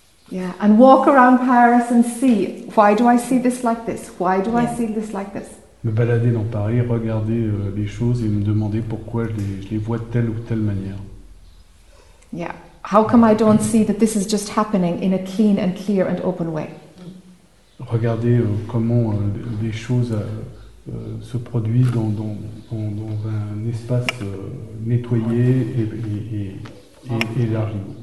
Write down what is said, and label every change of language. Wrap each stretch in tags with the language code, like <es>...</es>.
<en>Yeah, and walk around Paris and see, why do I see this like this? Why do I see this like this?</en> <fr>Me balader dans Paris, regarder les choses et me demander pourquoi je les vois de telle ou telle manière.</fr> <en>Yeah. How come I don't see that this is just happening in a clean and clear and open way?</en> <fr>Regardez comment les choses se produisent dans un espace nettoyé et élargi.</fr>